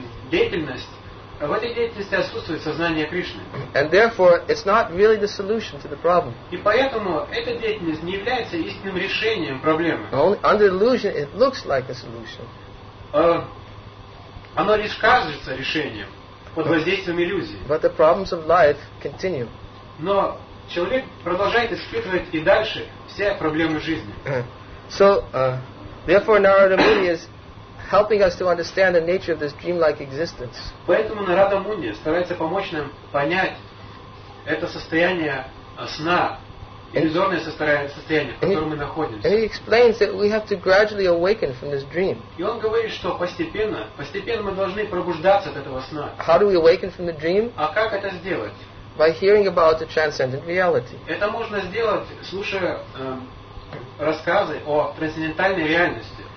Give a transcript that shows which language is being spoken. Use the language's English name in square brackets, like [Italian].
[Russian] деятельность, в этой деятельности отсутствует сознание Кришны. [English] And therefore, it's not really the solution to the problem. [Russian] И поэтому эта деятельность не является истинным решением проблемы. [English] Only under illusion, it looks like a solution. [Russian] Оно лишь кажется решением под воздействием иллюзии. [English] But the problems of life continue. [Russian] Но человек продолжает испытывать и дальше все проблемы жизни. [English] So, therefore, Narada Muni is helping us to understand the nature of this dream-like existence. [Russian] Поэтому Нарада Муни старается помочь нам понять это состояние сна, иллюзорное состояние, в котором мы находимся. [English] And he explains that we have to gradually awaken from this dream. [Russian] И он говорит, что постепенно мы должны пробуждаться от этого сна. [English] How do we awaken from the dream? [Russian] А как это сделать? [English] By hearing about the transcendent reality. [Russian] Это можно сделать, слушая рассказы о трансцендентальной реальности.